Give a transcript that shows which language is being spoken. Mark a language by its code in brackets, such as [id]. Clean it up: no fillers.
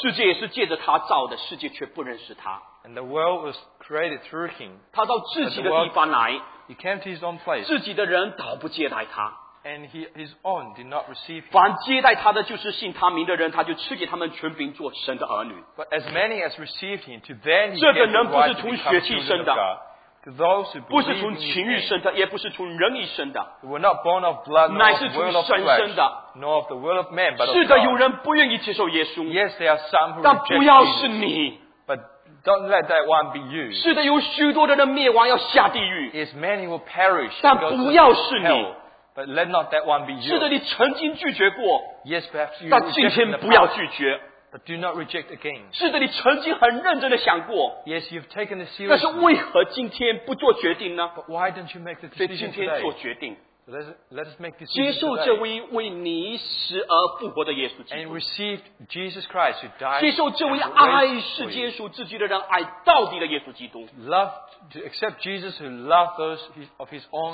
[zh] 世界也是借着他造的, 世界却不认识他, [en] and the world was created through him, [zh] 他到自己的地方来, [en] he came to his own place, [zh] 自己的人倒不接待他, [en] and his own did not receive him. [zh] 凡接待他的就是信他名的人, 他就赐给他们权柄做神的儿女, [en] but as many as received him, to them he gave the right to become children of God. To those who believe in his name, [zh] 也不是从人意生的, [en] they were not born of blood, nor of the will of flesh, nor of the will of man, but of God. [zh] 是的,有人不愿意接受耶稣, [en] yes, there are some who reject Jesus, but don't let that one be you. [zh] 是的,有许多的人灭亡要下地狱, [en] yes, many will perish, [zh] 但不要是你, [en] but let not that one be you. [zh] 是的,你曾经拒绝过, [en] yes, perhaps you rejected the past, but do not reject again. [zh] 是的,你曾经很认真地想过, [en] yes, you've taken it seriously. [zh] 但是为何今天不做决定呢? [en] But why don't you make the decision today? Let us make this decision. [zh] 接受这位为你死而复活的耶稣基督, [en] and receive Jesus Christ who died. [zh] 接受这位爱世间属自己的人爱到底的耶稣基督, [en] love to accept Jesus who loved those of his own.